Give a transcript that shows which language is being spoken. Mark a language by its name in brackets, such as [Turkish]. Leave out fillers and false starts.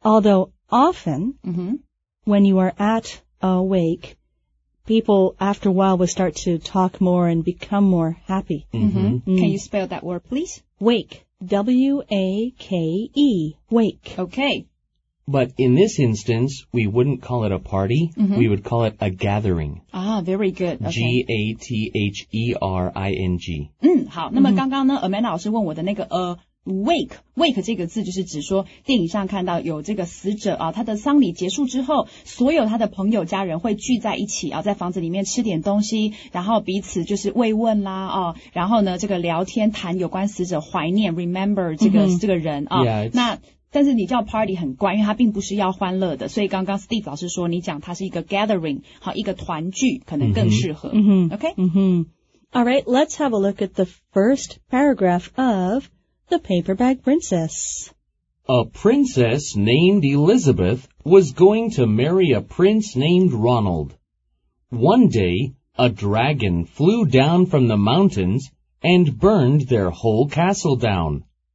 [English] Although often, when you are at a wake, people after a while will start to talk more and become more happy. Can you spell that word, please? Wake. W-A-K-E. Wake. Okay. But in this instance, we wouldn't call it a party. Mm-hmm. We would call it a gathering. Ah, very good. Okay. G-A-T-H-E-R-I-N-G. [Chinese] 好。那么刚刚呢，Amanda老师问我的那个wake 这个字就是指说电影上看到有这个死者啊，他的丧礼结束之后，所有他的朋友家人会聚在一起啊，在房子里面吃点东西，然后彼此就是慰问啦啊，然后呢这个聊天谈有关死者怀念 remember 这个这个人啊， [English] yeah, [Chinese] 那但是你叫 party 很怪，因为它并不是要欢乐的，所以刚刚 Steve 老师说你讲它是一个 gathering 好，一个团聚可能更适合。 [English] OK， All right， let's have a look at the first paragraph ofThe Paper Bag Princess. A princess named Elizabeth was going to marry a prince named Ronald. One day, a dragon flew down from the mountains and burned their whole castle down.